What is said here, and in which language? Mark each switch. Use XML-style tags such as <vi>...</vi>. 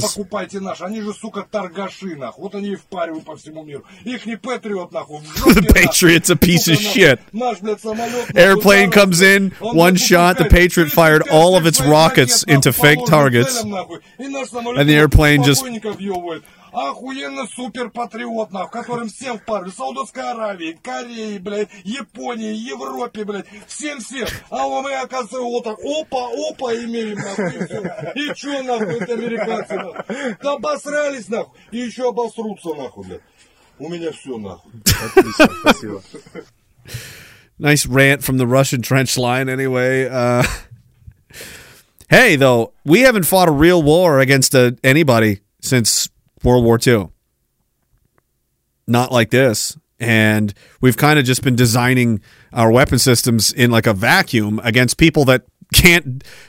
<ru>Покупайте наш, они же, сука, торгаши, нахуй. Вот они и впаривают по всему миру. Ихний патриот, нахуй.</ru> <en>The Patriot's a piece of shit.</en> <ru>Наш, блядь, самолет.</ru> <en>Airplane comes in, one shot, the Patriot fired all of its rockets into fake targets. And the airplane just...</en> <ru>Охуенно суперпатриот, нахуй, которым всем впарили. Саудовской Аравии, Кореи, блядь, Японии, Европе, блядь. Всем-всем. А вам и оказывается вот так. Опа-опа имели, нахуй. И чё, нахуй, это американцы, нахуй. Да обосрались, нахуй. И ещё обосрутся, нахуй, блядь. У меня всё, нахуй. Отлично, спасибо.</ru> <en>Nice rant from the Russian trench line, anyway. Hey, though, we haven't fought a real war against anybody since... World War II. Not like this. And we've kind of just been designing our weapon systems in like a vacuum against people that can't...</en>